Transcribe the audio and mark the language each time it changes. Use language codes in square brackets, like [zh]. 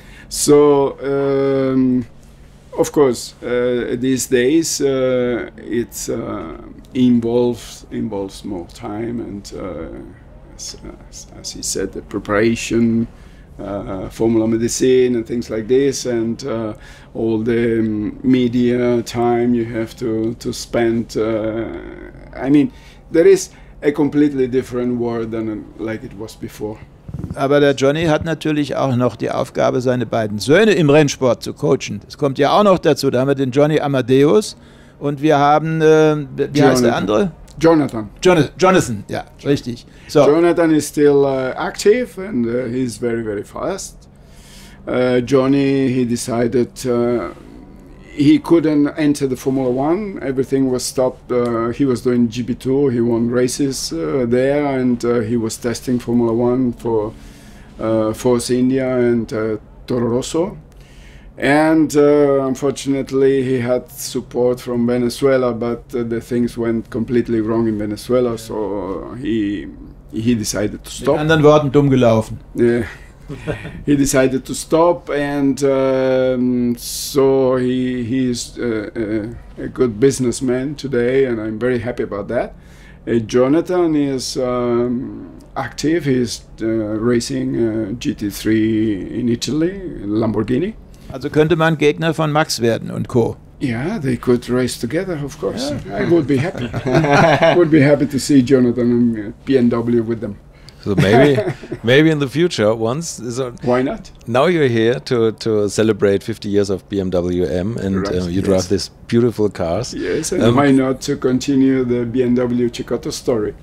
[en] So, of course, these days it's involves more time and as he said, the preparation, Formula Medicine and things like this, and all the media time you have to spend. I mean, there is a completely different world than like it was before. [de] Aber der Johnny hat natürlich auch noch die Aufgabe, seine beiden Söhne im Rennsport zu coachen. Das kommt ja auch noch dazu. Da haben wir den Johnny Amadeus und wir haben, wie heißt der andere? Jonathan. Jonathan, ja, richtig. So. [en] Jonathan is still active and he's very, very fast. Johnny, he decided he couldn't enter the Formula One. Everything was stopped. He was doing GP2. He won races there and he was testing Formula One for Force India and Toro Rosso. And unfortunately, he had support from Venezuela, but the things went completely wrong in Venezuela, yeah. So he decided to stop. [de] In anderen Worten, dumm gelaufen. [en] Yeah. He decided to stop, and so he's a good businessman today, and I'm very happy about that. Jonathan is active. He's racing GT3 in Italy, Lamborghini. [de] Also könnte man Gegner von Max werden und Co. [en] Yeah, they could race together, of course. Yeah. I would be happy. Would be happy to see Jonathan and BMW with them. So maybe in the future once. So why not? Now you're here to celebrate 50 years of BMW M, and right, you drive these beautiful cars. Yes, and why not to continue the BMW Cecotto story?